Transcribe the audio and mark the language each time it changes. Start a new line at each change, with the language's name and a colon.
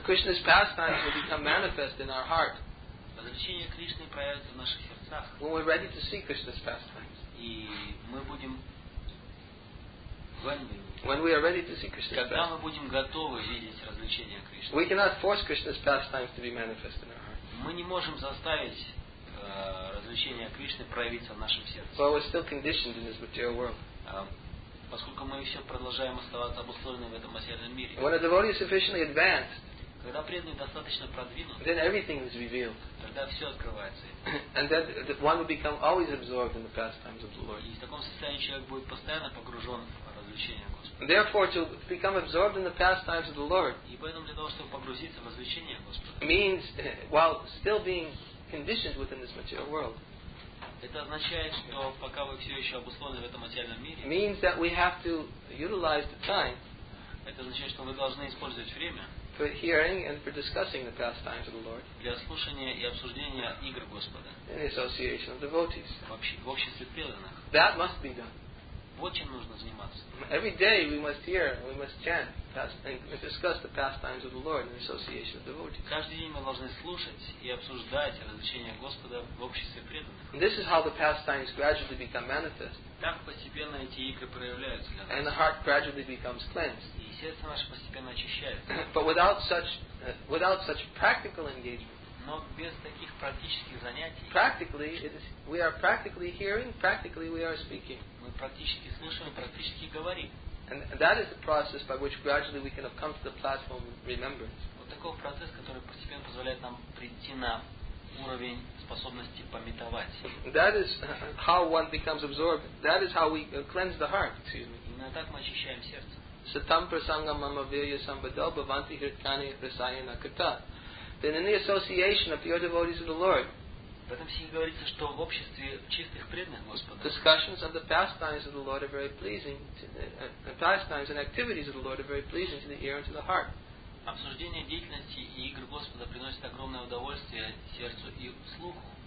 English: Krishna's pastimes will become manifest in our heart.
Russian: Развлечение Кришны появится в наших сердцах.
English: When we're ready to see Krishna's pastimes.
Russian: И мы будем.
English: When we are ready to see Krishna's pastimes.
Russian: Когда мы будем готовы видеть развлечение Кришны.
English: We cannot force Krishna's pastimes to be manifest in our heart.
Russian: Мы не можем заставить развлечение Кришны проявиться в нашем сердце.
English: But we're still conditioned in this material world.
Russian: Поскольку мы еще продолжаем оставаться обусловленными в этом материальном мире.
English: When a devotee is sufficiently advanced,
Russian: когда преданный достаточно продвинут,
English: then everything is revealed.
Russian: Тогда все открывается.
English: And that one will become always absorbed in the pastimes of the Lord.
Russian: И в таком состоянии человек будет постоянно погружен в развлечения Господа.
English: Therefore, to become absorbed in the pastimes of the Lord.
Russian: И поэтому для того, чтобы погрузиться в развлечения Господа.
English: Means while still being conditioned within this material world.
Russian: Это означает, что пока вы все еще обусловлены в этом материальном мире.
English: Means that we have to utilize the time.
Russian: Это означает, что вы должны использовать время.
English: For hearing and for discussing the pastimes of the Lord.
Russian: Для слушания и обсуждения игр Господа.
English: In the association of devotees.
Russian: В обществе преданных.
English: That must be done.
Russian: Вот чем нужно заниматься.
English: Every day we must hear, we must chant, and discuss the pastimes of the Lord in the association of devotees.
Russian: Каждый день мы должны слушать и обсуждать развлечения Господа в обществе преданных.
English: This is how the pastimes gradually become manifest.
Russian: Так постепенно эти игры проявляются для нас.
English: And the heart gradually becomes cleansed.
Russian: И сердце наше постепенно очищается.
English: But without such practical engagement.
Russian: Но без таких практических занятий.
English: Practically, we are practically hearing, practically we are speaking.
Russian: Мы практически слушаем, практически говорим.
English: And that is the process by which gradually we can have come to the platform of remembrance.
Russian: Вот такой процесс, который постепенно позволяет нам прийти на уровень способности памятовать.
English: That is how one becomes absorbed. That is how we cleanse the heart.
Russian: Именно так мы очищаем сердце.
Sanskrit: Satam prasangam mama virya sambadal bhavanti hirtani rasayana kata.
English: Then in the association of pure devotees of the Lord.
Russian: В этом стихе говорится, что в обществе чистых преданных Господа.
English: Discussions of the pastimes of the Lord are very pleasing. Pastimes and activities of the Lord are very pleasing to the ear and to the heart.
Russian: Обсуждение деятельности и игр Господа приносит огромное удовольствие сердцу и слуху.